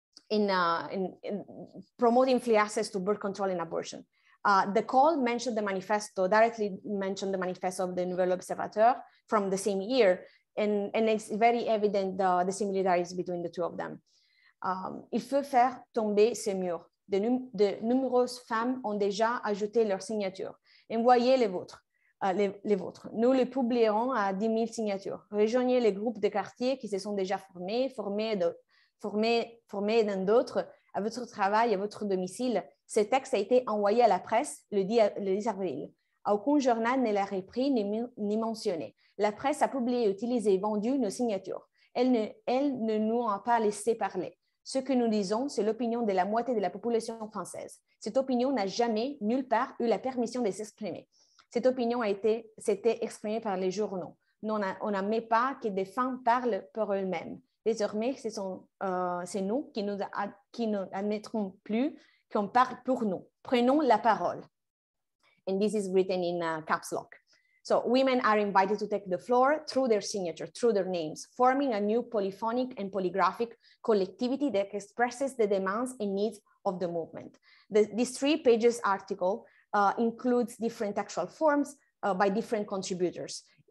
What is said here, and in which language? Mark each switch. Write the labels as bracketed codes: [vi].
[en] In promoting free access to birth control and abortion. The call directly mentioned the manifesto of the Nouvel Observateur from the same year. And it's very evident the similarities between the two of them. [fr] Il faut faire tomber ces murs. De nombreuses femmes ont déjà ajouté leur signature. Envoyez les vôtres. Les vôtres. Nous les publierons à 10 000 signatures. Rejoignez les groupes de quartier qui se sont déjà formés dans d'autres, à votre travail, à votre domicile. Ce texte a été envoyé à la presse le 10 avril. Aucun journal ne l'a repris ni mentionné. La presse a publié, utilisé et vendu nos signatures. Elle ne nous a pas laissé parler. Ce que nous disons, c'est l'opinion de la moitié de la population française. Cette opinion n'a jamais, nulle part, eu la permission de s'exprimer. Cette opinion s'était exprimée par les journaux. Nous, on n'admet pas que des femmes parlent pour elles-mêmes. Désormais, c'est nous qui n'admettrons plus qu'on parle pour nous. Prenons la parole. [en] And this is written in caps lock. So women are invited to take the floor through their signature, through their names, forming a new polyphonic and polygraphic collectivity that expresses the demands and needs of the movement. This three-page article includes different textual forms by different contributors.